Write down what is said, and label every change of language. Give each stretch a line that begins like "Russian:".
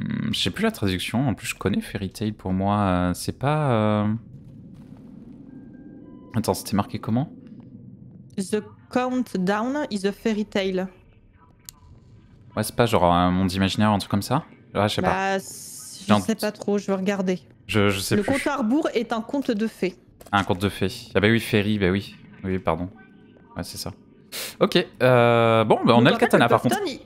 French: Je sais plus la traduction, en plus, je connais Fairy Tail pour moi. C'est pas... Attends, c'était marqué comment?
English: The countdown is a fairy tale.
French: Ouais, c'est pas genre un monde imaginaire, un truc comme ça? Ouais, je sais pas. Je sais pas trop, je vais regarder. Je sais plus. Le compte à rebours est un conte de fées. Un conte de fées. Ah bah oui, fairy, bah oui. Oui, pardon. Ouais, c'est ça. Ok, bon, bah on a le katana par contre.